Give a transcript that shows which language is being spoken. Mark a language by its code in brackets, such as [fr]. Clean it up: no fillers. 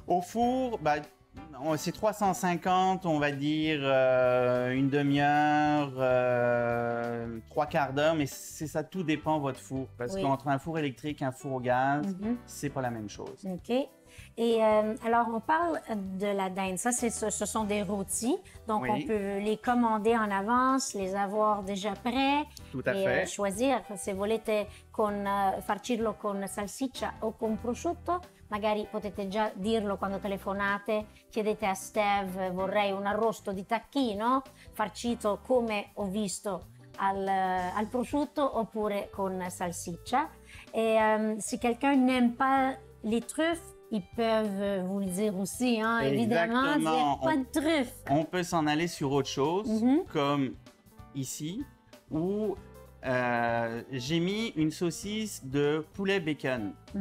[fr] Au four, c'est 350, on va dire une demi-heure, trois quarts d'heure, mais c'est ça, tout dépend de votre four. Parce qu'entre un four électrique et un four au gaz, c'est pas la même chose. OK. Et alors, on parle de la dinde. Ça, ce sont des rôtis. Donc, on peut les commander en avance, les avoir déjà prêts. Tout à fait. Et choisir. [it] Se volete farcirlo con salsiccia o con prosciutto. Magari potete già dirlo quando telefonate, chiedete a Steve, vorrei un arrosto di tacchino farcito come ho visto al prosciutto oppure con salsiccia. E se [fr] quelqu'un n'aime pas les truffes, ils peuvent vous le dire aussi, hein, évidemment, il n'y a pas de truffes. On peut s'en aller sur autre chose, comme ici, où j'ai mis une saucisse de poulet bacon.